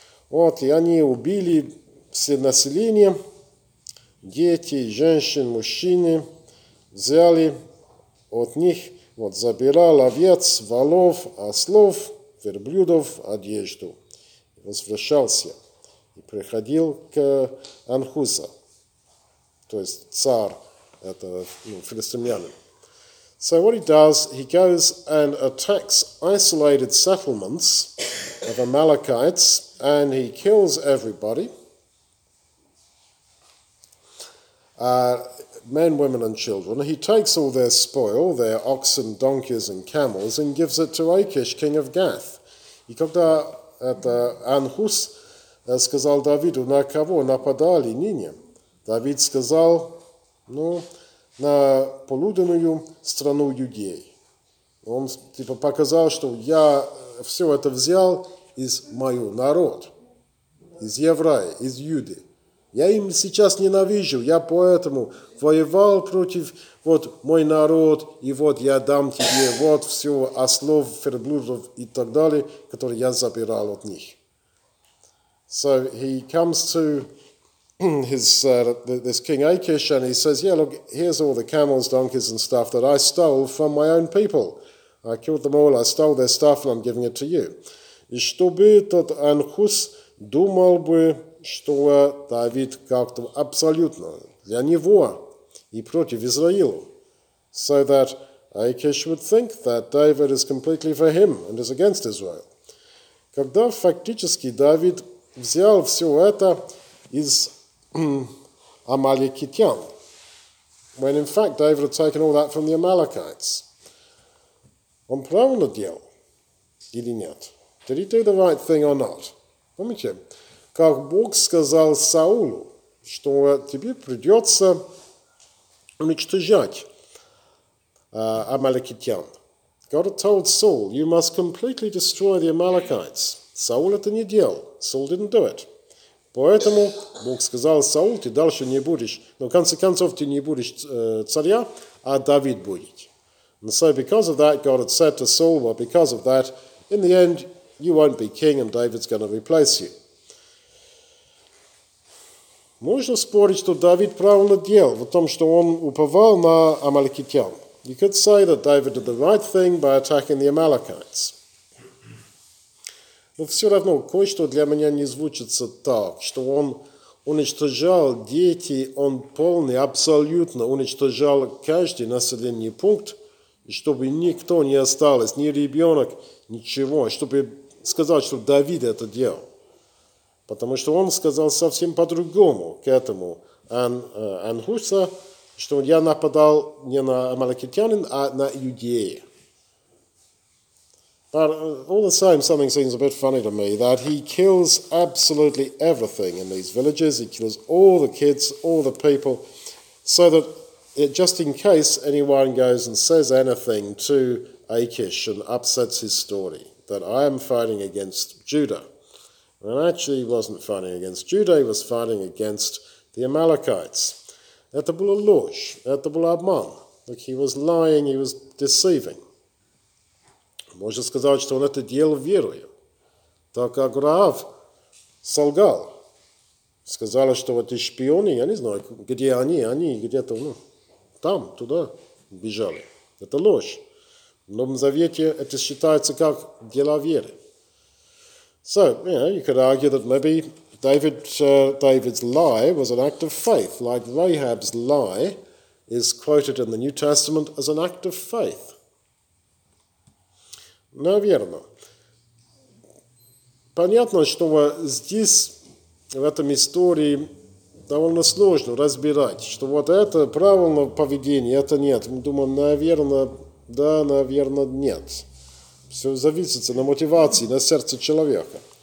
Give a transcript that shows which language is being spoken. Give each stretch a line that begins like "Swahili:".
Russian: Вот, и они убили все население, дети, женщин, мужчины, взяли от них, вот, забирал овец, волов, ослов, верблюдов, одежду. Возвращался и приходил к Анхуза, то есть царь, это, ну, филистимлянин.
English: So what he does, he goes and attacks isolated settlements of Amalekites, and he kills everybody. Men, women, and children. He takes all their spoil, their oxen, donkeys, and camels, and gives it to Achish, king of Gath.
Russian: И когда это Анхус сказал Давиду, на кого нападали ныне? Давид сказал, ну, на полуденную страну людей. Он типа показал, что я все это взял из моего народа, из еврея, из юды. Я им сейчас ненавижу, я поэтому воевал против, вот, мой народ, и вот я дам тебе вот все ослов, верблюдов и так далее, которые я забирал от них.
English: So he comes to his this king Achish, and he says, yeah, look, here's all the camels, donkeys and stuff that I stole from my own people. I killed them all, I stole their stuff, and I'm giving it to you.
Russian: И чтобы тот Анхус думал бы, что Давид как-то абсолютно для него и против Израилю.
English: So that Achish would think that David is completely for him and is against Israel.
Russian: Когда фактически Давид взял все это из Амалекитян.
English: When in fact David had taken all that from the Amalekites.
Russian: Он правильно делал или нет?
English: Did he do the right thing or not?
Russian: Помните, как Бог сказал Саулу, что тебе придется уничтожать Амалекитян.
English: God had told Saul, you must completely destroy the Amalekites.
Russian: Саул это не делал.
English: Saul didn't do it.
Russian: Поэтому Бог сказал, Саул, ты дальше не будешь, но в конце концов ты не будешь царя, а Давид будет.
English: And so because of that, God had said to Saul, well, because of that, in the end, you won't be king and David's going to replace you.
Russian: Можно спорить, что Давид правильно делал в том, что он уповал на амаликитян.
English: You could say that David did the right thing by attacking the Amalekites.
Russian: Но все равно кое-что для меня не звучится так, что он уничтожал дети, он полный, абсолютно уничтожал каждый населенный пункт, чтобы никто не остался, ни ребенок, ничего, чтобы сказать, что Давид это делал. Потому что он сказал совсем по-другому к этому Анхуса, что я нападал не на амаликитянин, а на иудеи.
English: But all the same, something seems a bit funny to me, that he kills absolutely everything in these villages. He kills all the kids, all the people, so that it, just in case anyone goes and says anything to Achish and upsets his story, that I am fighting against Judah. And actually he wasn't fighting against Judah, he was fighting against the Amalekites.
Russian: Это была ложь, это был обман.
English: Look, he was lying, he was deceiving.
Russian: Можно сказать, что он это делал верою. Так как Раав солгал. Сказали, что вот эти шпионы, я не знаю, где они где-то, ну, там, туда бежали. Это ложь. В Новом Завете это считается как дела веры.
English: So, you know, you could argue that maybe David's lie was an act of faith, like Rahab's lie is quoted in the New Testament as an act of faith.
Russian: Наверное. Понятно, что здесь, в этом истории, довольно сложно разбирать, что вот это правильное поведение, это нет. Мы думаем, наверное, да, наверное, нет. Все зависит на мотивации, на сердце человека.